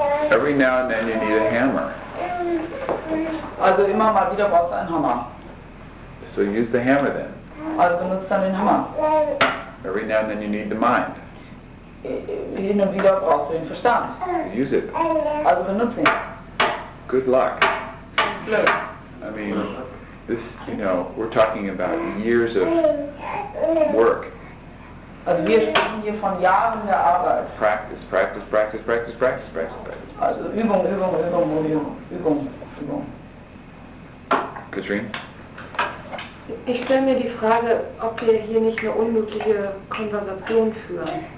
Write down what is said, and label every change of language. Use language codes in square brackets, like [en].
[en] Every now and then you need a hammer. [de] Also immer mal wieder brauchst du einen Hammer. [en] So use the hammer then. [de] Also benutzt dann den Hammer. [en] Every now and then you need the mind. [de] Hin und wieder brauchst du den Verstand. [en] So use it. [de] Also benutze ihn. [en] Good luck. I mean, this, you know, we're talking about years of work. [de] Also wir sprechen hier von Jahren der Arbeit. [en] Practice, practice, practice, practice, practice, practice, practice. [de] Also Übung, Übung, Übung, Übung, Übung, Übung. Katrin? Ich stelle mir die Frage, ob wir hier nicht eine unmögliche Konversation führen.